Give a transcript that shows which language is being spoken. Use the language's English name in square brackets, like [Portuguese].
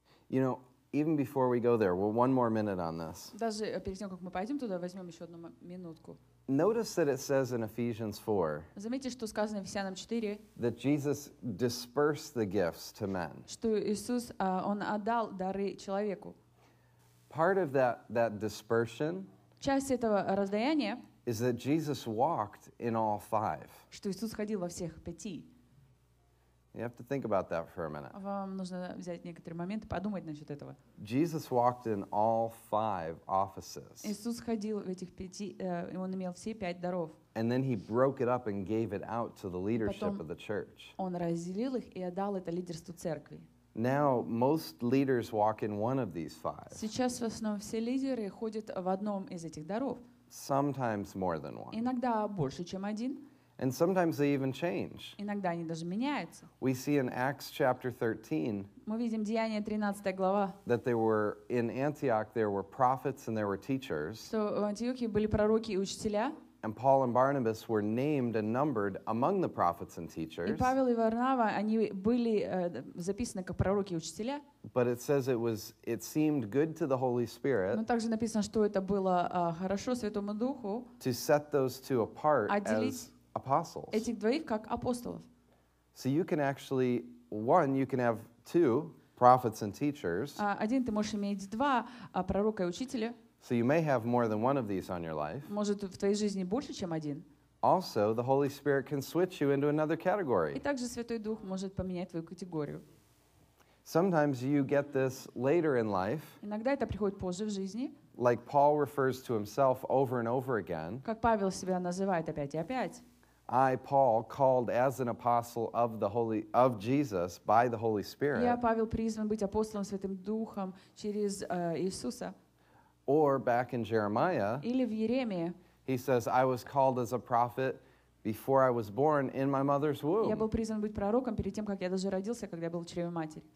[English] You know, even before we go there, well, one more minute on this. [Russian] Даже перед тем, как мы пойдем туда, возьмем еще одну минутку. [English] Notice that it says in Ephesians 4. [Russian] Заметьте, что сказано в Ефесянам 4. [English] That Jesus dispersed the gifts to men. [Russian] Что Иисус он отдал дары человеку. [English] Part of that dispersion. [Russian] Часть этого раздаяния. [English] Is that Jesus walked in all five. [Russian] Что Иисус ходил во всех пяти. [English] You have to think about that for a minute. [Russian] Вам нужно взять некоторый момент и подумать насчет этого. [English] Jesus walked in all five offices. [Russian] Иисус ходил в этих пяти, и он имел все пять даров. [English] And then he broke it up and gave it out to the leadership of the church. [Russian] Он разделил их и отдал это лидерству церкви. [English] Now most leaders walk in one of these five. [Russian] Сейчас в основном все лидеры ходят в одном из этих даров. [English] Sometimes more than one. [Russian] Иногда больше, чем один. [English] And sometimes they even change. [Russian] Иногда они даже меняются. [English] We see in Acts chapter 13. [Russian] Мы видим Деяния 13 глава. [English] That there were in Antioch there were prophets and there were teachers. [Russian] Что в Антиохии были пророки и учителя. [English] And Paul and Barnabas were named and numbered among the prophets and teachers. [Russian] И Павел и Варнава они были записаны как пророки и учителя. [English] But it says it seemed good to the Holy Spirit. [Russian] Но также написано, что это было хорошо Святому Духу. [English] To set those two apart as apostles. [Russian] Этих двоих как апостолов. [English] So you can actually one, you can have two prophets and teachers. [Russian] Один ты можешь иметь два пророка и учителя. [English] So you may have more than one of these on your life. [Russian] Может в твоей жизни больше чем один. [English] Also, the Holy Spirit can switch you into another category. [Russian] И также Святой Дух может поменять твою категорию. [English] Sometimes you get this later in life. [Russian] Иногда это приходит позже в жизни. [English] Like Paul refers to himself over and over again. [Russian] Как Павел себя называет опять и опять. [English] I, Paul, called as an apostle of the Holy of Jesus by the Holy Spirit. [Russian] Я, Павел, призван быть апостолом Святым Духом через Иисуса. [English] Or back in Jeremiah. [Russian] Или в Иеремии. [English] He says, I was called as a prophet before I was born in my mother's womb. [Russian] Я был призван быть пророком перед тем, как я даже родился, когда я был в чреве матери.